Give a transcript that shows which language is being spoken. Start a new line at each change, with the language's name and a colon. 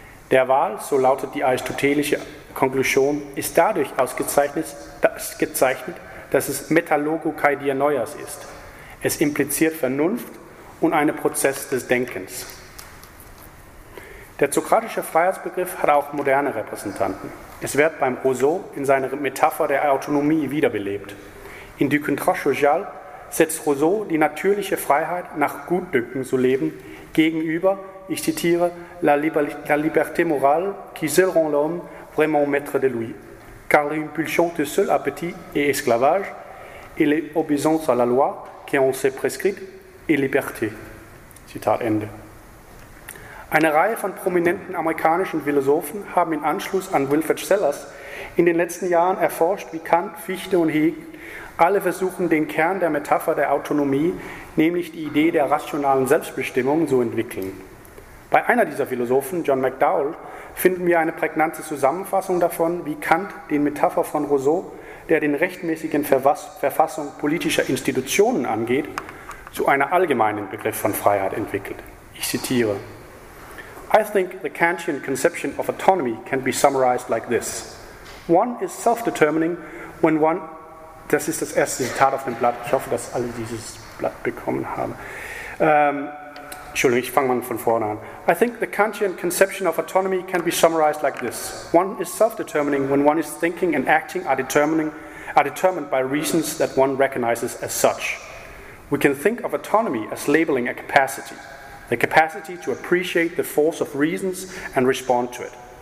German: Der Wahl, so lautet die aristotelische Konklusion, ist dadurch ausgezeichnet, dass es
Greek: Metalogo kai dianoias
German: ist. Es impliziert Vernunft und einen Prozess des Denkens. Der sokratische Freiheitsbegriff hat auch moderne Repräsentanten. Es wird beim Rousseau in seiner Metapher der Autonomie wiederbelebt. In Du Contrat Social setzt Rousseau die natürliche Freiheit, nach Gutdünken zu leben, gegenüber, ich zitiere,
French: la liberté morale qui seul rend l'homme vraiment maître de lui, car l'impulsion de seul appétit et esclavage et l'obéissance à la loi qui en s'est prescrite est liberté.
German: Zitat Ende. Eine Reihe von prominenten amerikanischen Philosophen haben in Anschluss an Wilfred Sellers in den letzten Jahren erforscht, wie Kant, Fichte und Hegel alle versuchen, den Kern der Metapher der Autonomie, nämlich die Idee der rationalen Selbstbestimmung, zu entwickeln. Bei einer dieser Philosophen, John McDowell, finden wir eine prägnante Zusammenfassung davon, wie Kant den Metapher von Rousseau, der den rechtmäßigen Verfassung politischer Institutionen angeht, zu einem allgemeinen Begriff von Freiheit entwickelt. Ich zitiere:
English: I think the Kantian conception of autonomy can be summarized like this. One is self-determining when one...
German: Das ist das erste Zitat auf dem Blatt. Ich hoffe, dass alle dieses Blatt bekommen haben. Entschuldigung, ich fange mal von vorne an.
English: I think the Kantian conception of autonomy can be summarized like this. One is self-determining when one is thinking and acting are determined by reasons that one recognizes as such. We can think of autonomy as labeling a capacity, the capacity to appreciate the force of reasons and respond to it.